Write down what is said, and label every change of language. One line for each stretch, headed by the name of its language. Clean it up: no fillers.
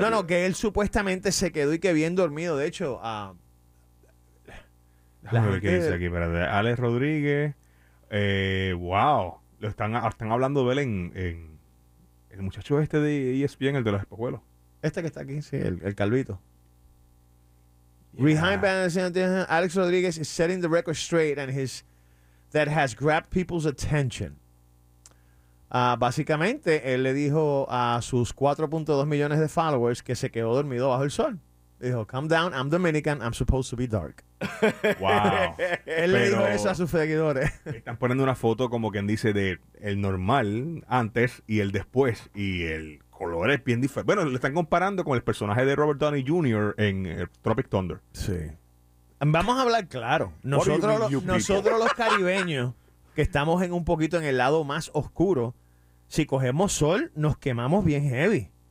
Spanish: No, no, que él supuestamente se quedó y que bien dormido. De hecho, ¿qué dice aquí? Espérate. Alex Rodríguez, wow. Están hablando de él en el muchacho este de ESPN, el de los espejuelos. Este que está aquí, sí, el calvito. Yeah.
English: Alex Rodríguez is setting the record straight and that has grabbed people's attention.
Spanish: Básicamente, él le dijo a sus 4.2 millones de followers que se quedó dormido bajo el sol. Dijo,
English: calm down, I'm Dominican, I'm supposed to be dark. Wow.
Spanish: Él le dijo eso a sus seguidores. Están poniendo una foto, como quien dice, de el normal antes y el después. Y el color es bien diferente. Bueno, lo están comparando con el personaje de Robert Downey Jr. en Tropic Thunder. Sí. Vamos a hablar claro. Nosotros los caribeños, que estamos en un poquito en el lado más oscuro, si cogemos sol, nos quemamos bien heavy.